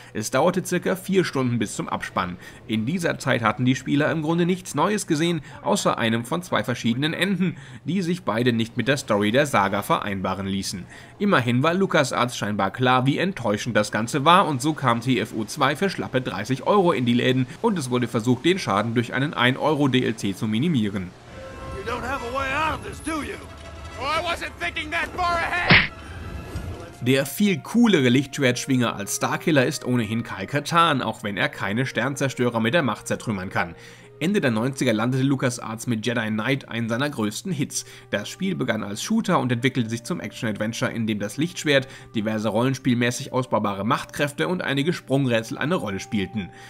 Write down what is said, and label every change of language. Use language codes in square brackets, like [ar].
[de] Es dauerte circa 4 Stunden bis zum Abspann. In dieser Zeit hatten die Spieler im Grunde nichts Neues gesehen, außer einem von zwei verschiedenen Enden, die sich beide nicht mit der Story der Saga vereinbaren ließen. Immerhin war LucasArts scheinbar klar, wie enttäuschend das Ganze war und so kam TFO 2 für schlappe 30 Euro in die Läden und es wurde versucht, den Schaden durch einen 1 Euro DLC zu minimieren. [en] You don't have a way out of this, do you? Oh, I wasn't thinking that far ahead. [de] Der viel coolere Lichtschwertschwinger als Starkiller ist ohnehin Kyle Katarn, auch wenn er keine Sternzerstörer mit der Macht zertrümmern kann. Ende der 90er landete LucasArts mit Jedi Knight einen seiner größten Hits. Das Spiel begann als Shooter und entwickelte sich zum Action-Adventure, in dem das Lichtschwert, diverse rollenspielmäßig ausbaubare Machtkräfte und einige Sprungrätsel eine Rolle spielten.